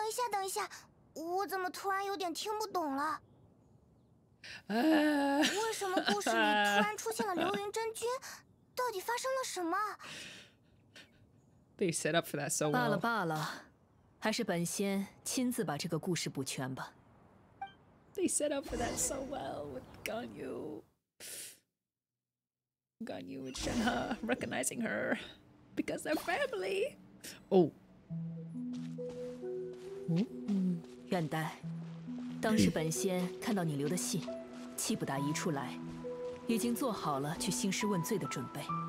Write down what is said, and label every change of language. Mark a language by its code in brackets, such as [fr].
[zh] 等一下，我怎么突然有点听不懂了？为什么故事里突然出现了流云真君？到底发生了什么？ [en] They set up for that so well. [zh] 罢了，还是本仙亲自把这个故事补全吧。 [en] They set up for that so well with Ganyu and Shenhe recognizing her because they're family. Oh. [zh] 愿待，当时本仙看到你留的信，气不打一处来，已经做好了去兴师问罪的准备。